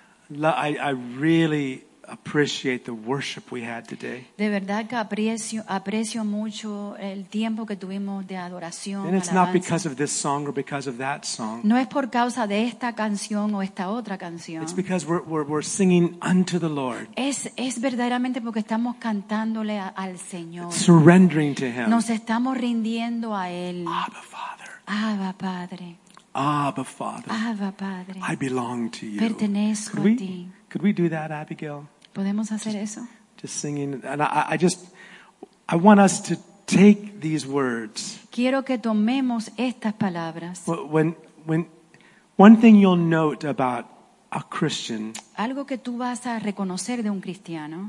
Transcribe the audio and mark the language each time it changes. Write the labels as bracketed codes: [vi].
[en] I really appreciate the worship we had today. [es] De verdad que aprecio mucho el tiempo que tuvimos de adoración. [en] And it's not because of this song or because of that song. [es] No es por causa de esta canción o esta otra canción. [en] It's because we're singing unto the Lord. [es] Es verdaderamente porque estamos cantándole al Señor. [en] Surrendering to Him. [es] Nos estamos rindiendo a Él. [en] Abba, Father. [es] Abba, Padre. [en] Abba, Father. [es] Abba, Padre. [en] I belong to you. [es] Pertenezco [en] could we, [es] a ti. [en] Could we do that, Abigail? [es] ¿Podemos hacer [en] just, [es] eso? [en] Just singing. And I want us to take these words. [es] Quiero que tomemos estas palabras. [en] When one thing you'll note about a Christian. [es] Algo que tú vas a reconocer de un cristiano.